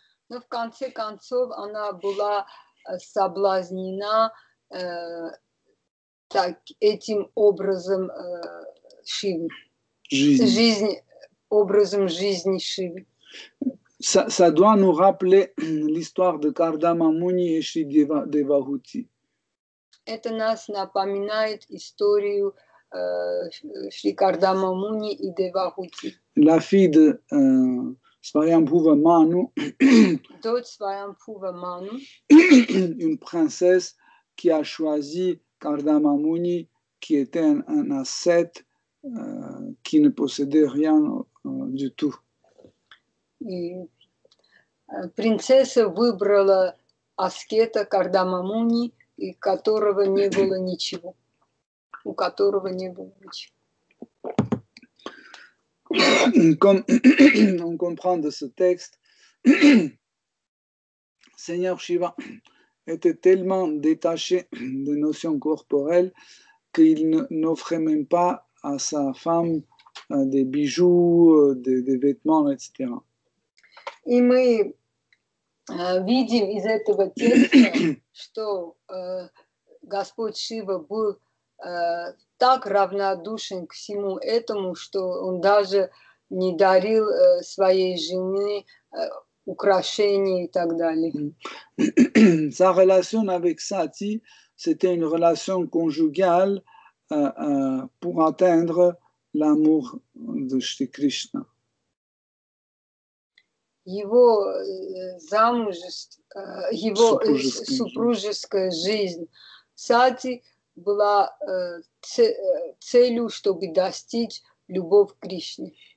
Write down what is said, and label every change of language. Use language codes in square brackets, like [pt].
[ru] Но в конце концов она была соблазнена так этим образом жизни, образом жизни Шивы. [fr] Ça doit nous rappeler l'histoire de Kardama Muni et Shri Devahuti. [ru] Это нас напоминает историю Шри Кардама Муни и Девахути. [fr] La fille de Svayambhuva Manu. [ru] Дочь Svayambhuva Manu. [fr] Une princesse qui a choisi Кардама Муни, qui était un ascète qui ne possédait rien du tout. [ru] И принцесса выбрала аскета Кардама Муни, и которого не было ничего, у которого не было ничего. [fr] Comme on comprend de ce texte, Seigneur Shiva était tellement détaché des notions corporelles qu'il n'offrait même pas à sa femme des bijoux, des vêtements, etc. [ru] И мы видим из этого текста, что Господь Шива был так равнодушен к всему этому, что он даже не дарил своей жене украшения и так далее. [fr] Sa relation avec Sati, c'était une relation conjugale pour atteindre l'amour de Шри Кришна. [ru] Его замужество, его супружеская жизнь. Сати была целью, чтобы достичь любовь к Кришне.